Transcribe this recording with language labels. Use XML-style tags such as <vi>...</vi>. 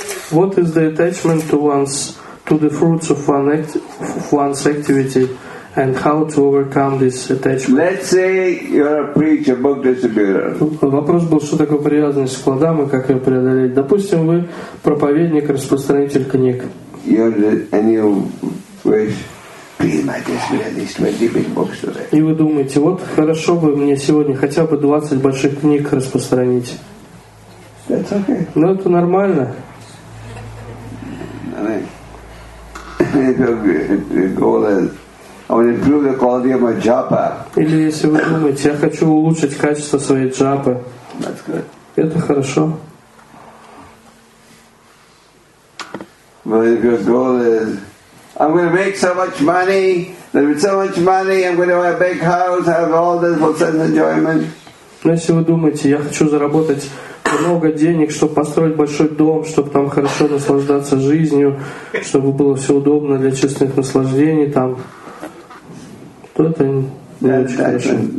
<en>What is the attachment to one's to the fruits of one's activity and how to overcome this attachment? Let's say you're a preacher, book distributor.</en> <ru>Вопрос был, что такое привязанность к плодам и как ее преодолеть. Допустим, вы проповедник, распространитель книг.</ru> <en>You're the, and you wish</en> <ru>И вы думаете, вот хорошо бы мне сегодня хотя бы 20 больших книг распространить. Но это нормально. Или если вы думаете, я хочу улучшить качество своей джапы. Это хорошо.</ru> <en>But if your goal is, I'm going to make so much money, there's so much money, I'm going to have a big house, have all this sense enjoyment.</en> <ru>Но если вы думаете, я хочу заработать много денег, чтобы построить большой дом, чтобы там хорошо наслаждаться жизнью, чтобы было все удобно для чувственных наслаждений там, то это не очень хорошо.</ru>